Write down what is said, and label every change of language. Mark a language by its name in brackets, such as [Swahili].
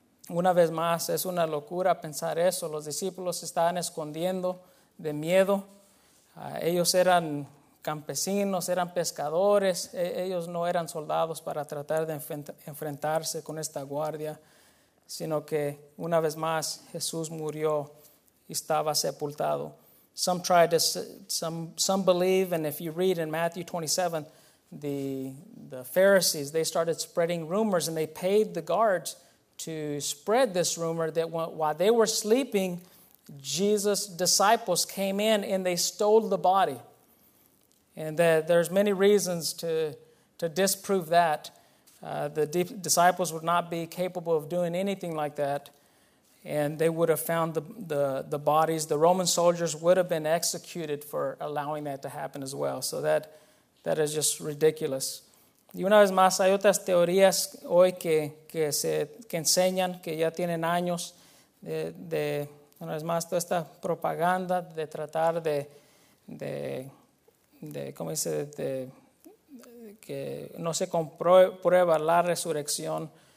[Spanish] Una vez más, es una locura pensar eso. Los discípulos estaban escondiendo de miedo. Ellos eran campesinos, eran pescadores. Ellos no eran soldados para tratar de enfrentarse con esta guardia, sino que una vez más Jesús murió y estaba sepultado. [English] Some believe, and if you read in Matthew 27, the Pharisees, they started spreading rumors, and they paid the guards to spread this rumor that while they were sleeping, Jesus' disciples came in and they stole the body. And there's many reasons to disprove that. The disciples would not be capable of doing anything like that. And they would have found the bodies. The Roman soldiers would have been executed for allowing that to happen as well. So that is just ridiculous. [Spanish] Y una vez más, hay otras teorías hoy que enseñan, que ya tienen años de una vez más, toda esta propaganda de tratar de ¿cómo dice? De que no se comprueba la resurrección.